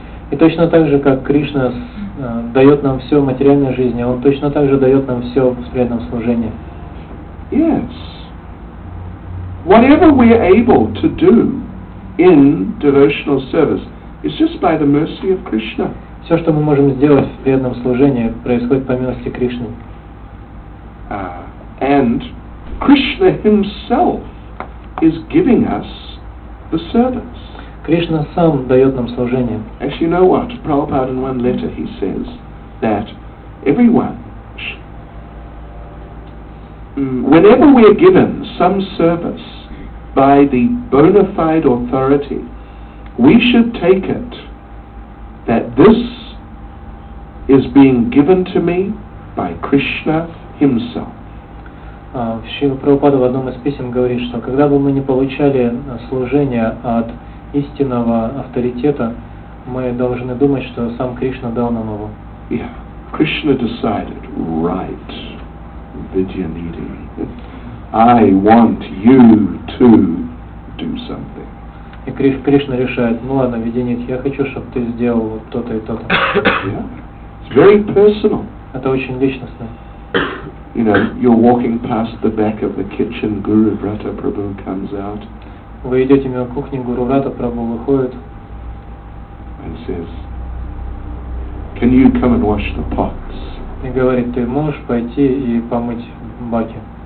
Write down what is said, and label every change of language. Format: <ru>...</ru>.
<ru>И точно так же, как Кришна дает нам все в материальной жизни, Он точно так же дает нам все в преданном служении.</ru> <en>Yes. Whatever we are able to do in devotional service is just by the mercy of Krishna.</en> <ru>Все, что мы можем сделать в преданном служении, происходит по милости Кришны.</ru> <en>And Krishna Himself is giving us the service.</en> <ru>Кришна сам дает нам служение.</ru> <en>As you know what, Prabhupada in one letter he says that everyone, whenever we are given some service by the bona fide authority, we should take it that this is being given to me by Krishna himself.</en> <ru>Шрила Прабхупада в одном из писем говорит, что когда бы мы не получали служение от истинного авторитета, мы должны думать, что сам Кришна дал нам его.</ru> <en>Yeah, Krishna decided, right, Vidyanidhi, I want you to do something.</en> <ru>И Кришна решает, ну ладно, Веденит, я хочу, чтобы ты сделал вот то-то и то-то.</ru> <en>Yeah. It's very personal.</en> <ru>Это очень личностно.</ru> <en>You know, you're walking past the back of the kitchen, Guru Vrata Prabhu comes out.</en> <ru>Вы идете мимо кухни, Гуру Врата Прабху выходит.</ru> <en>And says, can you come and wash the pots?</en> <ru>И говорит, ты можешь пойти и помыть баки?</ru>